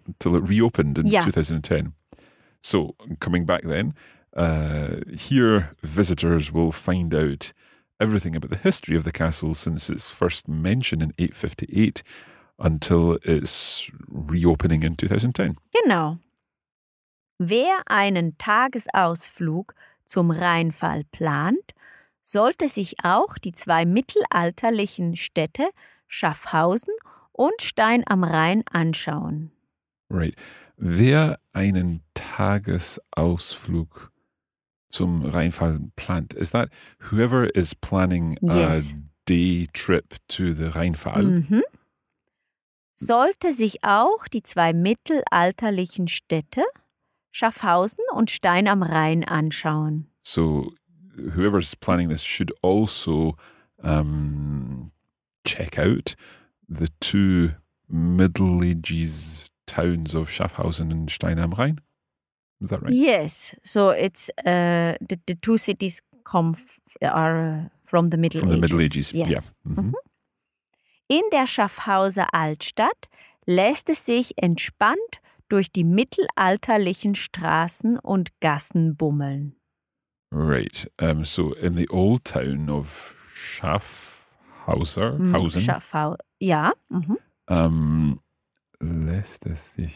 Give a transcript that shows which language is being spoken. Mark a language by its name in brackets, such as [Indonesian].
[English] Until it reopened in 2010. So coming back then, here visitors will find out everything about the history of the castle since its first mention in 858 until its reopening in 2010. [German] Genau. Wer einen Tagesausflug zum Rheinfall plant, sollte sich auch die zwei mittelalterlichen Städte Schaffhausen und Stein am Rhein anschauen. [English] Right. Wer einen Tagesausflug zum Rheinfall plant, is that whoever is planning a day trip to the Rheinfall, [German] sollte sich auch die zwei mittelalterlichen Städte Schaffhausen und Stein am Rhein anschauen. [English] So, whoever is planning this should also check out the two Middle Ages towns of Schaffhausen and Stein am Rhein. Is that right? Yes. So it's the two cities are from the Middle Ages. From the Middle Ages. Yes. Yeah. In der Schaffhauser Altstadt lässt es sich entspannt durch die mittelalterlichen Straßen und Gassen bummeln. Right. So in the old town of Schaffhauser, lässt es sich.